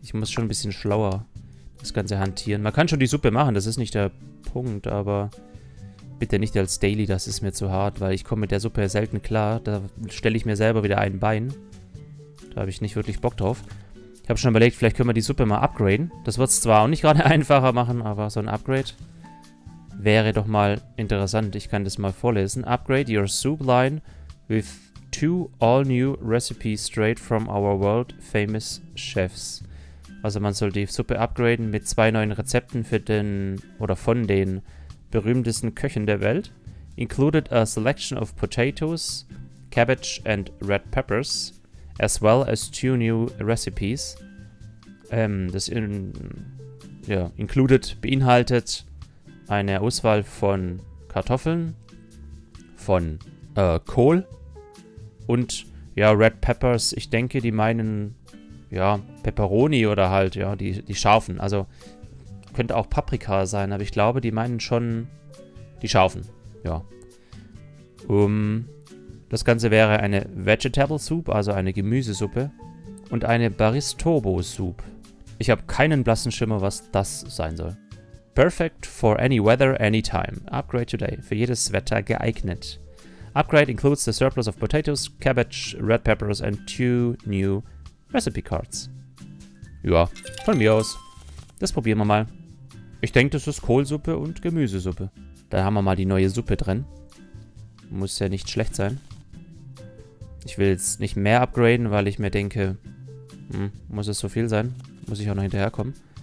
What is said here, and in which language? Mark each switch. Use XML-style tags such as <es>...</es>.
<de>Ich muss schon ein bisschen schlauer das Ganze hantieren. Man kann schon die Suppe machen, das ist nicht der Punkt, aber bitte nicht als Daily, das ist mir zu hart, weil ich komme mit der Suppe selten klar. Da stelle ich mir selber wieder ein Bein. Da habe ich nicht wirklich Bock drauf. Ich habe schon überlegt, vielleicht können wir die Suppe mal upgraden. Das wird es zwar auch nicht gerade einfacher machen, aber so ein Upgrade wäre doch mal interessant. Ich kann das mal vorlesen.</de> <en>Upgrade your soup line with two all new recipes straight from our world famous chefs.</en> <de>Also man soll die Suppe upgraden mit zwei neuen Rezepten für den oder von den berühmtesten Köchen der Welt.</de> <en>Included a selection of potatoes, cabbage and red peppers. As well as two new recipes.</en> <de>Das in, ja, included, beinhaltet eine Auswahl von Kartoffeln, von Kohl und ja, Red Peppers. Ich denke, die meinen ja Pepperoni oder halt, ja, die scharfen. Also könnte auch Paprika sein, aber ich glaube, die meinen schon die scharfen. Ja. Das Ganze wäre eine Vegetable Soup, also eine Gemüsesuppe und eine Baristobo Soup. Ich habe keinen blassen Schimmer, was das sein soll.</de> <en>Perfect for any weather, any time. Upgrade today.</en> <de>Für jedes Wetter geeignet.</de> <en>Upgrade includes the surplus of potatoes, cabbage, red peppers and two new recipe cards.</en> <de>Ja, von mir aus. Das probieren wir mal. Ich denke, das ist Kohlsuppe und Gemüsesuppe. Da haben wir mal die neue Suppe drin. Muss ja nicht schlecht sein. Ich will jetzt nicht mehr upgraden, weil ich mir denke, muss es so viel sein? Muss ich auch noch hinterherkommen?</de>